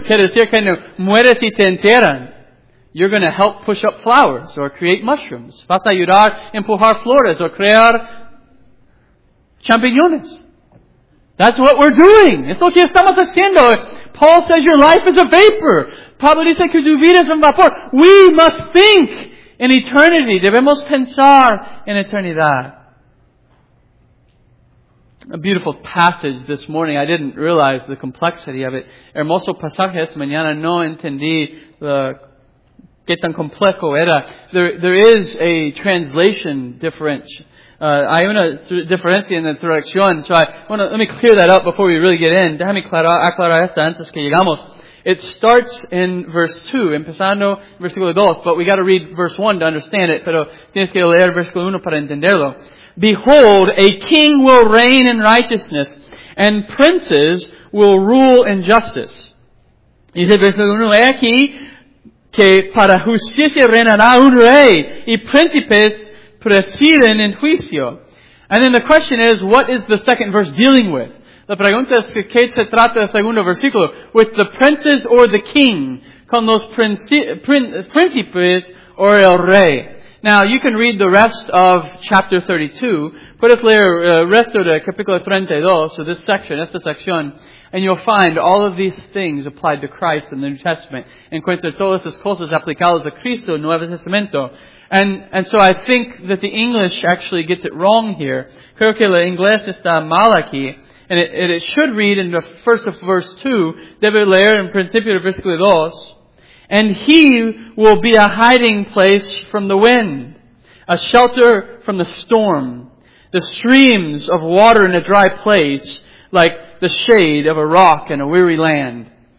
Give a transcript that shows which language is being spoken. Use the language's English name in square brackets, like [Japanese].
[Spanish] Quiere decir que no mueres y te enteran. [English] You're going to help push up flowers or create mushrooms. [Spanish] Vas a ayudar empujar flores or crear champiñones. [English] That's what we're doing. [Spanish] Es lo que estamos haciendo. [English] Paul says your life is a vapor. [Spanish] Pablo dice que tu vida es un vapor. [English] We must think in eternity. [Spanish] Debemos pensar en eternidad. [English] A beautiful passage this morning. I didn't realize the complexity of it. [Spanish] Hermoso pasaje esta mañana. No entendí la que tan complejo era. [English] There is a translation difference. [Spanish] Hay una diferencia en la traducción. [English] So let me clear that up before we really get in. [Spanish] Déjame aclarar esta antes que llegamos. [English] It starts in verse 2, [Spanish] empezando en versículo 2, [English] but we got to read verse 1 to understand it. [Spanish] Pero tienes que leer versículo 1 para entenderlo. [English] Behold, a king will reign in righteousness, and princes will rule in justice. [Spanish] Y dice versículo 1, he aquí que para justicia reinará un rey, y príncipes presiden en juicio. [English] And then the question is, what is the second verse dealing with? [Spanish] La pregunta es, ¿qué se trata el segundo versículo? [English] With the princes or the king? [Spanish] Con los príncipes or el rey? [English] Now, you can read the rest of chapter 32. [Spanish] Puedes leer el resto de capítulo 32, [English] so this section, [Spanish] esta sección, [English] and you'll find all of these things applied to Christ in the New Testament. [Spanish] Encuentra todas esas cosas aplicadas a Cristo en Nuevo Testamento. [English] And so I think that the English actually gets it wrong here. [Spanish] Creo que la inglés está mal aquí. [English] And it should read in the first of verse 2, [Spanish] debe leer en principio de versículo 2, [English] and he will be a hiding place from the wind, a shelter from the storm, the streams of water in a dry place, like the shade of a rock in a weary land.